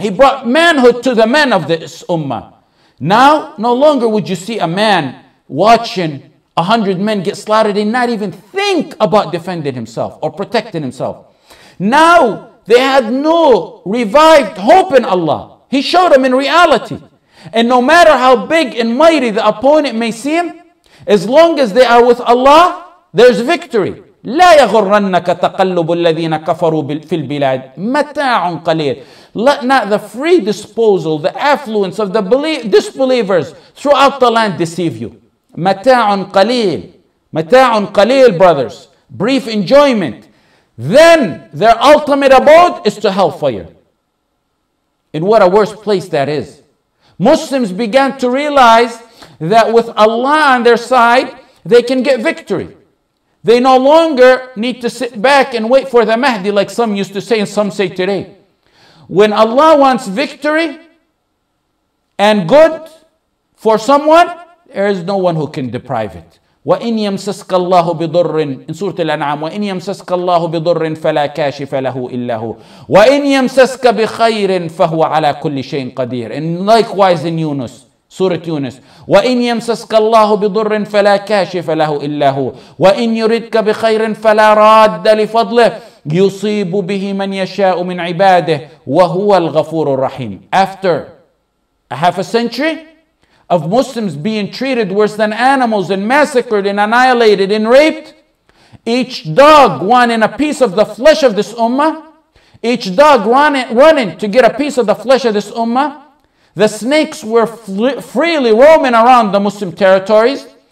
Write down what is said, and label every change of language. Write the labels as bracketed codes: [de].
[en] He brought manhood to the men of this ummah. Now, no longer would you see a man watching 100 men get slaughtered and not even think about defending himself or protecting himself. Now, they had no revived hope in Allah. He showed them in reality. And no matter how big and mighty the opponent may seem, as long as they are with Allah, there's victory. [ar] لا يغرنك تقلب الذين كفروا في البلاد متاع قليل. [en] Let not the free disposal, the affluence of the disbelievers throughout the land deceive you. [ar] متاع قليل. متاع قليل, [en] brothers. Brief enjoyment. Then their ultimate abode is to hellfire. And what a worse place that is. Muslims began to realize that with Allah on their side, they can get victory. They no longer need to sit back and wait for the Mahdi like some used to say and some say today. When Allah wants victory and good for someone, there is no one who can deprive it. [ar] وَإِنْ يَمْسَسْكَ اللَّهُ بِضُرٍ [en] in Surah Al-An'am [ar] وَإِنْ يَمْسَسْكَ اللَّهُ بِضُرٍ فَلَا كَاشِفَ لَهُ إِلَّا هُوَ وَإِنْ يَمْسَسْكَ بِخَيْرٍ فَهُوَ عَلَى كُلِّ شَيْءٍ قَدِيرٍ. [en] And likewise in Yunus, Surah Yunus. [ar] وَإِنْ يَمْسَسْكَ اللَّهُ بِضُرٍ فَلَا كَاشِفَ لَهُ إِلَّا هُوَ وَإِنْ يُرِدْكَ بِخَيْرٍ فَلَا رَادَّ لِفَضْلِهِ يُصِيبُ بِهِ مَنْ يَشَاءُ مِنْ عِبَادِهِ وَهُوَ الْغَفُورُ الرَّحِيمُ. [en] After a half a century of Muslims being treated worse than animals and massacred and annihilated and raped, each dog wanting a piece of the flesh of this ummah, each dog running to get a piece of the flesh of this ummah, the snakes were freely roaming around the Muslim territories.